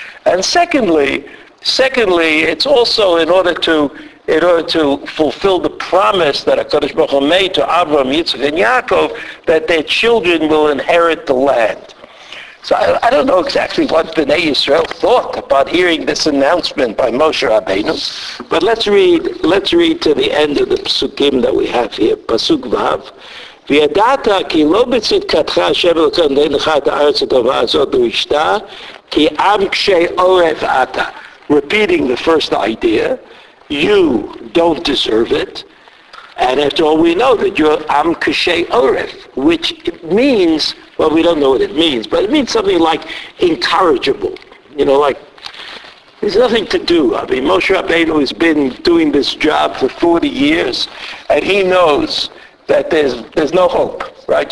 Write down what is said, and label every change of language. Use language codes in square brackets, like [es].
[en] and secondly, it's also in order to fulfill the promise that HaKadosh Baruch Hu made to Avraham, Yitzchak, and Yaakov that their children will inherit the land. So I don't know exactly what Bnei Yisrael thought about hearing this announcement by Moshe Rabbeinu, but let's read to the end of the psukim that we have here, pasuk vav. [he] וידעת כי לא בצדקתך השם אלוקינו נותן לך את הארץ הטובה הזאת ברשתה, כי עם קשי עורף אתה. [en] Repeating the first idea, you don't deserve it. And after all, we know that you're am kshei oref, which means, well, we don't know what it means, but it means something like incorrigible. You know, like, there's nothing to do. I mean, Moshe Rabbeinu has been doing this job for 40 years, and he knows that there's no hope, right?